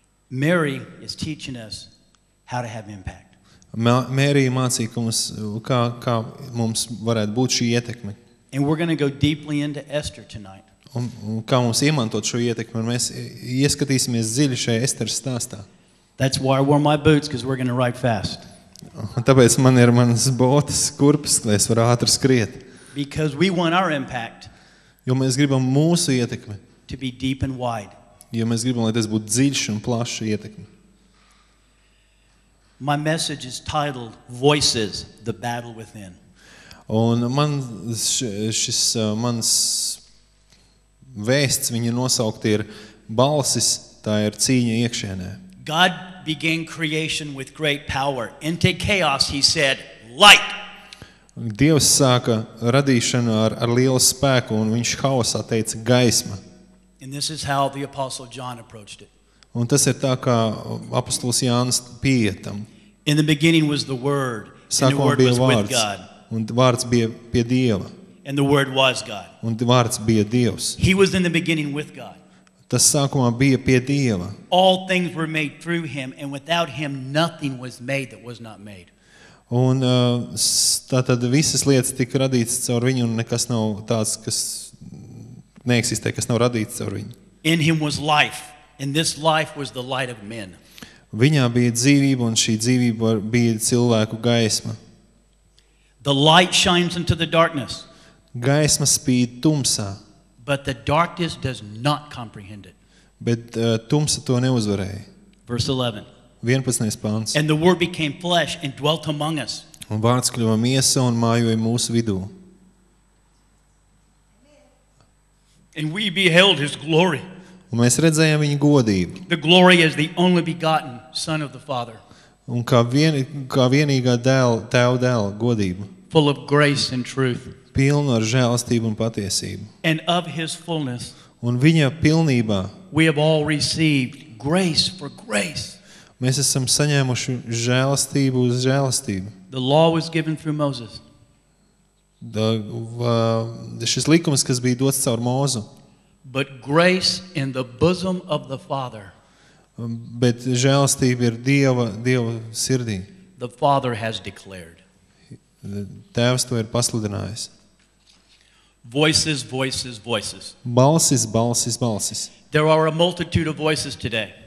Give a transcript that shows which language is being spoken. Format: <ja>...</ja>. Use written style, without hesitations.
<en>Mary is teaching us how to have impact.</en> <lv>Mary mācīja mums, kā mums varētu būt šī ietekme.</lv> <en>And we're going to go deeply into Esther tonight.</en> <lv>Un kā mums iemantot šo ietekmi, un mēs ieskatīsimies dziļi šajā Esteras stāstā.</lv> <en>That's why I wore my boots, because we're going to ride fast.</en> <lv>Tāpēc man ir manas botas, kurpes, lai es varu ātri skriet.</lv> <en>Because we want our impact.</en> <lv>Jo mēs gribam mūsu ietekmi.</lv> <en>To be deep and wide.</en> <lv>Jo mēs gribam, lai tas būtu dziļš un plašs ietekmi.</lv> <en>My message is titled Voices, the Battle Within.</en> <lv>Un man šis mans vēsts, viņa nosaukti ir balsis, tā ir cīņa iekšēnē.</lv> <en>God began creation with great power. Into chaos he said, light.</en> <lv>Dievs sāka radīšanu ar lielu spēku, un viņš haosā teica gaisma.</lv> <en>And this is how the apostle John approached it.</en> <lv>Un tas ir tā, kā apostols Jānis pietam.</lv> <en>In the beginning was the word, and the word was with God.</en> <lv>Un vārds bija pie Dieva.</lv> <en>And the word was God.</en> <lv>Un vārds bija Dievs.</lv> <en>He was in the beginning with God.</en> <lv>Tas sākumā bija pie Dieva.</lv> <en>All things were made through him, and without him nothing was made that was not made.</en> <lv>Un tātad visas lietas tika radītas caur viņu, un nekas nav tāds, kas neeksistē, kas nav radīts caur viņu.</lv> <en>In him was life, and this life was the light of men.</en> <lv>Viņā bija dzīvība, un šī dzīvība bija cilvēku gaisma.</lv> <en>The light shines into the darkness.</en> <lv>Gaisma spīd tumsā.</lv> <en>But the darkness does not comprehend it.</en> <lv>Bet tumsa to neuzvarēja.</lv> <en>Verse 11.</en> <lv>11. Pāns.</lv> <en>And the word became flesh and dwelt among us.</en> <lv>Un vārds kļuva miesa un mājoja mūsu vidū.</lv> <en>And we beheld his glory.</en> <lv>Un mēs redzējām viņa godību.</lv> <en>The glory is the only begotten son of the Father.</en> <lv>Un kā vienīgā dēla, tēva dēla godība.</lv> <en>Full of grace and truth.</en> <lv>Pilna ar žēlastību un patiesību.</lv> <en>And of his fullness.</en> <lv>Un viņa pilnībā.</lv> <en>We have all received grace for grace.</en> <lv>Mēs esam saņēmuši žēlastību uz žēlastību.</lv> <en>The law was given through Moses.</en> <lv>Šis likums, kas bija dots caur Mozu.</lv> <en>But grace in the bosom of the Father.</en> <lv>Bet žēlastība ir Dieva sirdī.</lv> <en>The Father has declared.</en> <lv>Tēvs to ir pasludinājis.</lv> <en>Voices, voices, voices.</en> <lv>Balsis, balsis, balsis.</lv> <en>There are a multitude of voices today.</en>